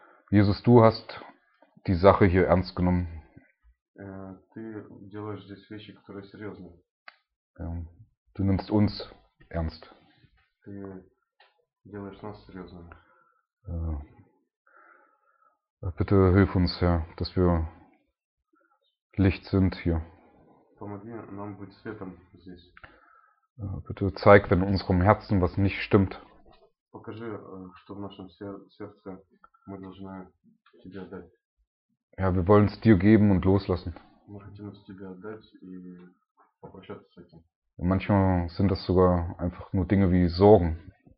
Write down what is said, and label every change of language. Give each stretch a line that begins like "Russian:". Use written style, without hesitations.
German: Jesus, du hast die Sache hier ernst genommen.
Russian: Ты делаешь здесь вещи, которые серьезные.
German: Du nimmst uns ernst.
Russian: Ты делаешь нас серьезными.
German: Bitte hilf uns, Herr, dass wir Licht sind hier.
Russian: Помоги нам быть светом здесь.
German: Bitte zeig, wenn in unserem Herzen was nicht stimmt.
Russian: Покажи, что в нашем сердце мы должны тебе отдать.
German: Ja, wir wollen es dir geben und loslassen.
Russian: Мы хотим это тебе отдать и попрощаться с этим.
German: Manchmal sind das sogar einfach nur Dinge wie Sorgen.